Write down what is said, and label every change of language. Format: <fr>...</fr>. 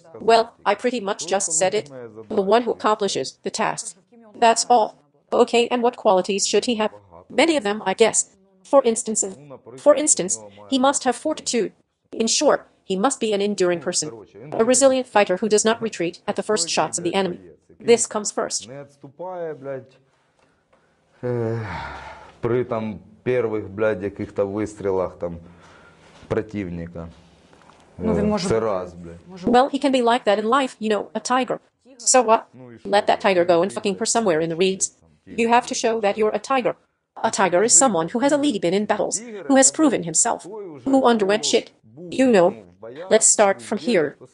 <en>Well, I pretty much just said it. The one who accomplishes the task. That's all. Okay, and what qualities should he have? Many of them, I guess. For instance, he must have fortitude. In short, he must be an enduring person, a resilient fighter who does not retreat at the first shots of the enemy. This comes first.</en> <uk>Не відступає, блядь, при там перших, блядь, яких-то вистрілах там противника. Ну, він може це раз, блядь.</uk> <en>Well, he can be like that in life, you know, a tiger. So what? Let that tiger go and fucking purr somewhere in the reeds. You have to show that you're a tiger. A tiger is someone who has already been in battles, who has proven himself, who underwent shit. You know, let's start from here.</en>